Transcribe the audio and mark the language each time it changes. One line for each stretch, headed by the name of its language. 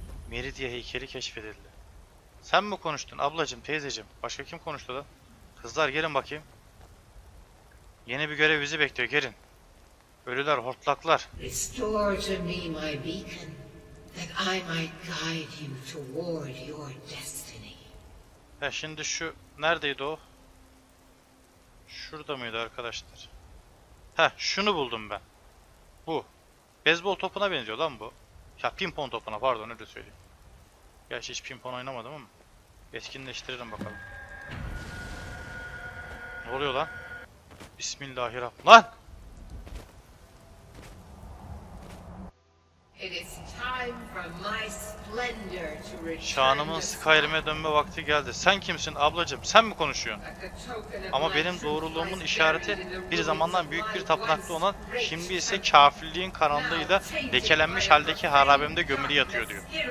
Turkish: Meridia heykeli keşfedildi. Sen mi konuştun ablacım, teyzecim? Başka kim konuştu lan? Kızlar gelin bakayım. Yeni bir görev bizi bekliyor. Gelin. Ölüler, hortlaklar.
English: Restore to me my beacon, that I might guide you toward your destiny.
Turkish: Ha şimdi şu neredeydi o? Şurada mıydı arkadaşlar? Ha şunu buldum ben. Bu. Beyzbol topuna benziyor lan bu. Ya pimpon topuna pardon öyle söyleyeyim. Gerçi hiç pimpon oynamadım ama. Etkinleştirelim bakalım. Ne oluyor lan? Bismillahirrahmanirrahim. Lan!
English: It is time for my splendor to return.
Turkish: Şanımın Skyrim'e dönme vakti geldi. Sen kimsin ablacığım? Sen mi konuşuyorsun? Ama benim doğruluğumun işareti bir zamandan büyük bir tapınakta olan, şimdi ise kafirliğin karanlığıyla lekelenmiş haldeki harabemde gömülü yatıyor diyor.